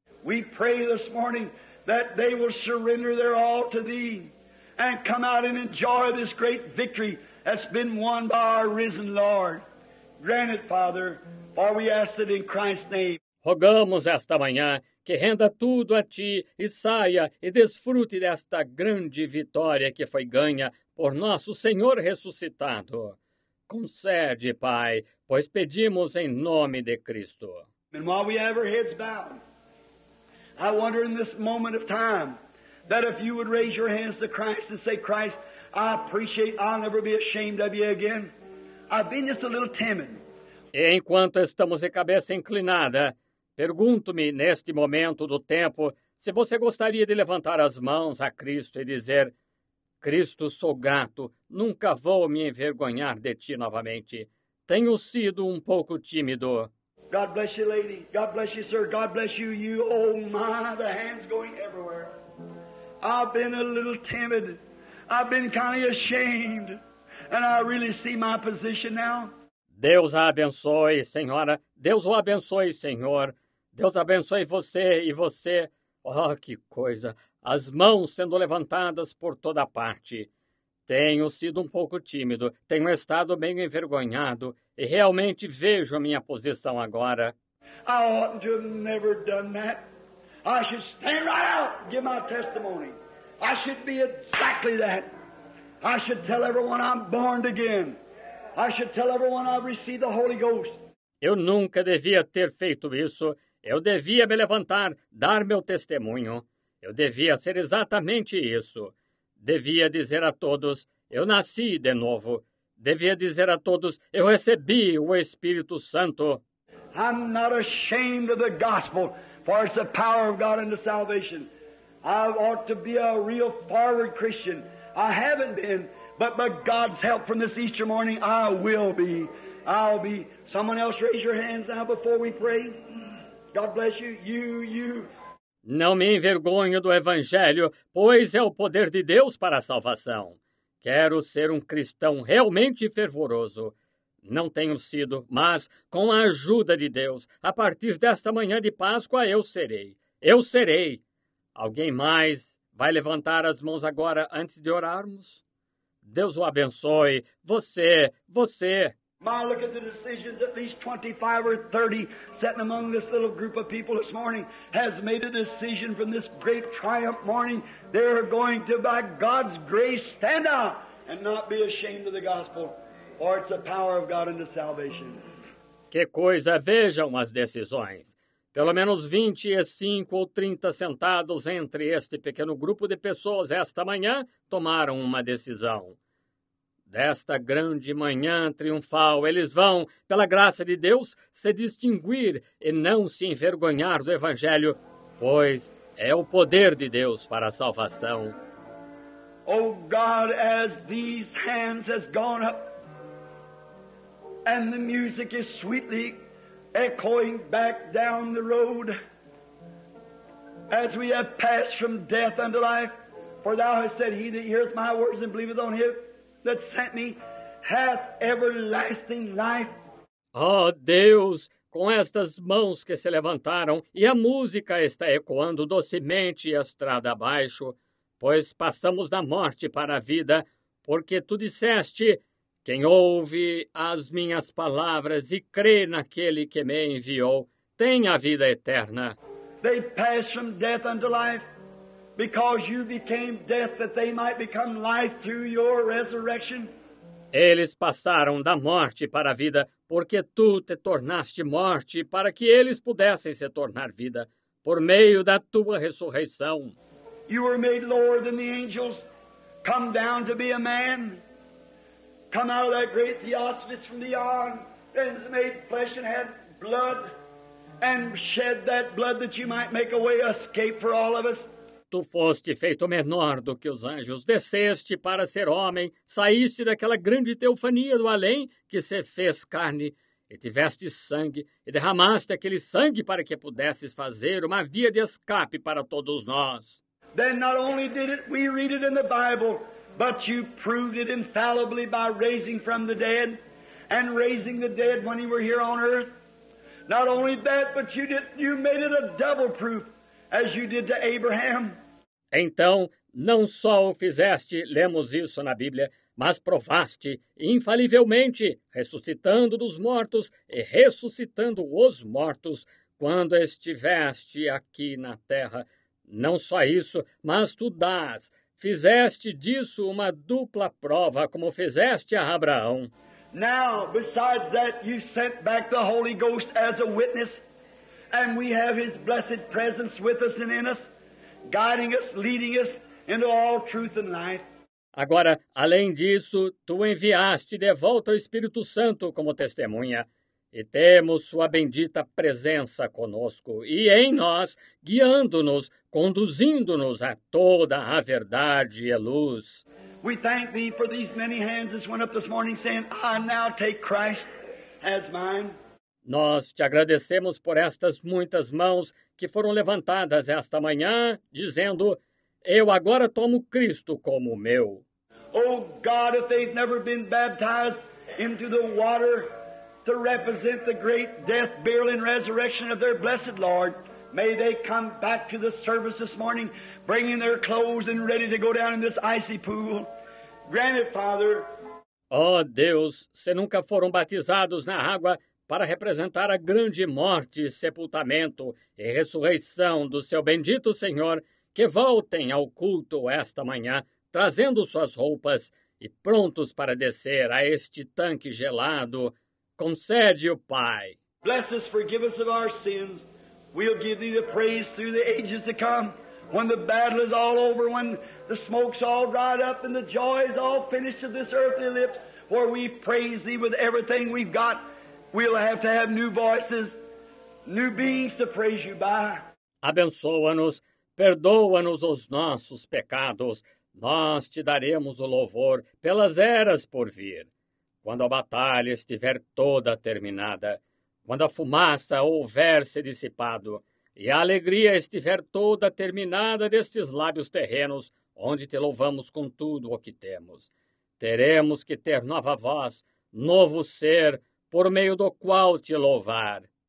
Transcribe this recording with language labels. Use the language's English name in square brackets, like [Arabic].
[English] We pray this morning that they will surrender their all to thee and come out and enjoy this great victory that's been won by our risen Lord. Grant it, Father, for we ask it in Christ's name. [Portuguese] Rogamos esta manhã que renda tudo a ti e saia e desfrute desta grande vitória que foi ganha por nosso Senhor ressuscitado. Concede, Pai, pois pedimos em nome de Cristo. [English] And while we have our heads bowed, I wonder in this moment of time that if you would raise your hands to Christ and say, Christ, I appreciate, I'll never be ashamed of you again. I've been just a little timid. [Portuguese] E enquanto estamos de cabeça inclinada, pergunto-me neste momento do tempo se você gostaria de levantar as mãos a Cristo e dizer, Cristo, sou grato, nunca vou me envergonhar de ti novamente. Tenho sido um pouco tímido. [English] God bless you, lady. God bless you, sir. God bless you, you. Oh, my, the hands going everywhere. I've been a little timid. I've been kind of ashamed. And I really see my position now. [Portuguese] Deus a abençoe, senhora. Deus o abençoe, senhor. Deus abençoe você e você. Oh, que coisa. As mãos sendo levantadas por toda parte. Tenho sido um pouco tímido. Tenho estado meio envergonhado. E realmente vejo a minha posição agora. [English] I oughtn't to have never done that. I should stand right out and give my testimony. I should be exactly that. I should tell everyone I'm born again. I should tell everyone I've received the Holy Ghost. [Portuguese] Eu nunca devia ter feito isso. Eu devia me levantar, dar meu testemunho. Eu devia ser exatamente isso. Devia dizer a todos, eu nasci de novo. Devia dizer a todos, eu recebi o Espírito Santo. [English] I'm not ashamed of the gospel, for it's the power of God unto salvation. I ought to be a real forward Christian. I haven't been, but by God's help from this Easter morning, I will be. I'll be. Someone else raise your hands now before we pray. God bless you. You. [Portuguese] Não me envergonho do Evangelho, pois é o poder de Deus para a salvação. Quero ser um cristão realmente fervoroso. Não tenho sido, mas com a ajuda de Deus, a partir desta manhã de Páscoa, eu serei. Eu serei. Alguém mais vai levantar as mãos agora antes de orarmos? Deus o abençoe. Você. [English] My, look at the decisions, at least 25 or 30 sitting among this little group of people this morning has made a decision from this great triumph morning. They're going to, by God's grace, stand out and not be ashamed of the gospel, for it's the power of God unto salvation. [Portuguese] Que coisa, vejam as decisões. Pelo menos 25 ou 30 sentados entre este pequeno grupo de pessoas esta manhã tomaram uma decisão. Desta grande manhã triunfal, eles vão, pela graça de Deus, se distinguir e não se envergonhar do Evangelho, pois é o poder de Deus para a salvação. [English] Oh, God, as these hands has gone up, and the music is sweetly echoing back down the road, as we have passed from death unto life, for thou hast said, he that heareth my words and believeth on him that sent me hath everlasting life. [Portuguese] Oh, Deus! Com estas mãos que se levantaram e a música está ecoando docemente a estrada abaixo, pois passamos da morte para a vida, porque tu disseste, quem ouve as minhas palavras e crê naquele que me enviou, tem a vida eterna. [English] They passed from death unto life, because you became death that they might become life through your resurrection. [Portuguese] Eles passaram da morte para a vida, porque tu te tornaste morte para que eles pudessem se tornar vida, por meio da tua ressurreição. [English] You were made lower than the angels, come down to be a man, come out of that great theosophist from beyond, and made flesh and had blood, and shed that blood that you might make a way of escape for all of us. [Portuguese] Tu foste feito menor do que os anjos, desceste para ser homem, saíste daquela grande teofania do além que se fez carne, e tiveste sangue, e derramaste aquele sangue para que pudesses fazer uma via de escape para todos nós. [English] Then not only did it, we read it in the Bible, but you proved it infallibly by raising from the dead, and raising the dead when you were here on earth. Not only that, but you made it a double proof. As you did to Abraham. [Portuguese] Então, não só o fizeste, lemos isso na Bíblia, mas provaste infalivelmente, ressuscitando dos mortos e ressuscitando os mortos, quando estiveste aqui na terra. Não só isso, mas tu dás. Fizeste disso uma dupla prova, como fizeste a Abraão. [English] Now, besides that, you sent back the Holy Ghost as a witness. And we have His blessed presence with us and in us, guiding us, leading us into all truth and life. [Portuguese] Agora, além disso, tu enviaste de volta o Espírito Santo como testemunha, e temos sua bendita presença conosco e em nós, guiando-nos, conduzindo-nos a toda a verdade e a luz. [English] We thank Thee for these many hands that went up this morning saying, I now take Christ as mine. [Portuguese] Nós te agradecemos por estas muitas mãos que foram levantadas esta manhã, dizendo, eu agora tomo Cristo como meu. [English] Oh, God, if they've never been baptized into the water to represent the great death, burial, and resurrection of their blessed Lord, may they come back to the service this morning, bringing their clothes and ready to go down in this icy pool. Grant it, Father. [Portuguese] Oh, Deus, se nunca foram batizados na água, para representar a grande morte, sepultamento e ressurreição do seu bendito Senhor, que voltem ao culto esta manhã, trazendo suas roupas e prontos para descer a este tanque gelado. Concede-o, Pai. [English] Bless us, forgive us of our sins. We'll give Thee the praise through the ages to come, when the battle is all over, when the smoke's all dried up and the joy is all finished of this earthly lips, for we praise Thee with everything we've got. We'll have to have new voices, new beings to praise you by. [Portuguese] Abençoa-nos, perdoa-nos os nossos pecados. Nós te daremos o louvor pelas eras por vir. Quando a batalha estiver toda terminada, quando a fumaça houver se dissipado e a alegria estiver toda terminada destes lábios terrenos, onde te louvamos com tudo o que temos, teremos que ter nova voz, novo ser, por meio do qual te louvar.